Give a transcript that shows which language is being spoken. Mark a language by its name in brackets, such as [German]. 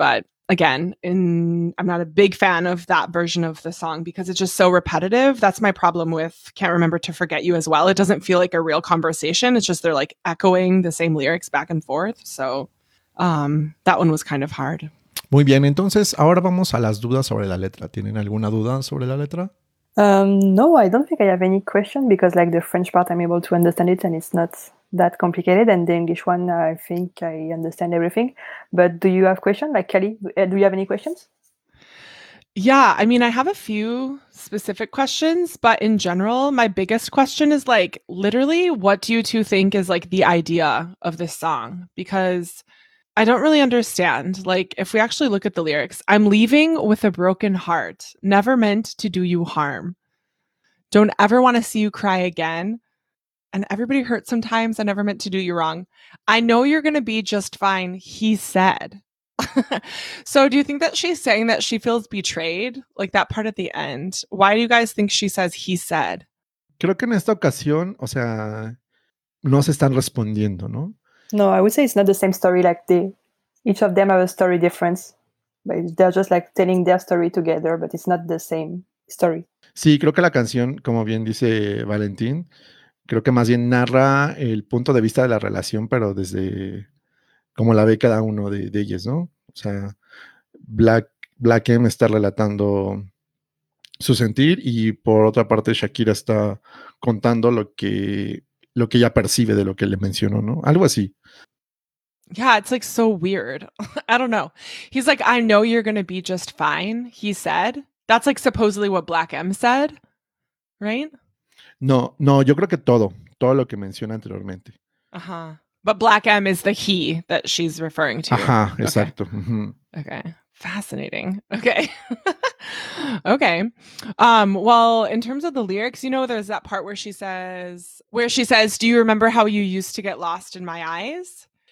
[English] But again, I'm not a big fan of that version of the song because it's just so repetitive. That's my problem with Can't Remember to Forget You as well. It doesn't feel like a real conversation. It's just they're like echoing the same lyrics back and forth. So that one was kind of hard. [Spanish] Muy bien. Entonces, ahora vamos a las dudas sobre la letra. ¿Tienen alguna duda sobre la letra? [English] No, I don't think I have any question because like the French part, I'm able to understand it and it's not that complicated, and the English one, I think I understand everything. But do you have questions? Like, Kelly, do you have any questions? Yeah, I mean, I have a few specific questions, but in general, my biggest question is, like, literally, what do you two think is, like, the idea of this song? Because I don't really understand. Like, if we actually look at the lyrics, I'm leaving with a broken heart, never meant to do you harm. Don't ever want to see you cry again. And everybody hurts sometimes. I never meant to do you wrong. I know you're going to be just fine, he said. So do you think that she's saying that she feels betrayed? Like that part at the end. Why do you guys think she says he said? [Spanish] Creo que en esta ocasión, o sea, no se están respondiendo, ¿no? [English] No, I would say it's not the same story. Like they, each of them have a story difference. But they're just like telling their story together, but it's not the same story. [Spanish] Sí, creo que la canción, como bien dice Valentín, creo que más bien narra el punto de vista de la relación, pero desde cómo la ve cada uno de ellas, ¿no? O sea, Black M está relatando su sentir y por otra parte Shakira está contando lo que ella percibe de lo que le mencionó, ¿no? Algo así. [English] Yeah, it's like so weird. I don't know. He's like, I know you're going to be just fine, he said. That's like supposedly what Black M said, right? [Spanish] No, yo creo que todo lo que menciona anteriormente. Ajá. [English] But Black M is the he that she's referring to. [Spanish] Ajá, exacto. [English] Okay. Mm-hmm. Okay. Fascinating. Okay. Okay. Well, in terms of the lyrics, you know, there's that part where she says, do you remember how you used to get lost in my eyes?